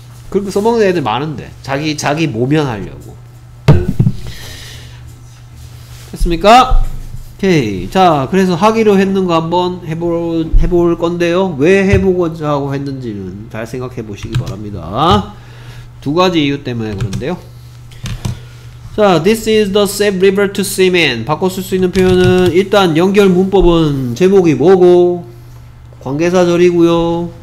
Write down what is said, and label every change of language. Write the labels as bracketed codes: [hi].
[ko] 그리고 써먹는 애들 많은데 자기 모면하려고. 됐습니까? 오케이. 자 그래서 하기로 했는거 한번 해볼 건데요. 왜 해보고자 하고 했는지는 잘 생각해 보시기 바랍니다. 두 가지 이유 때문에 그런데요. [en] 자, this is the safe river to swim in. [ko] 바꿔 쓸 수 있는 표현은 일단 연결 문법은 제목이 뭐고 관계사절이고요.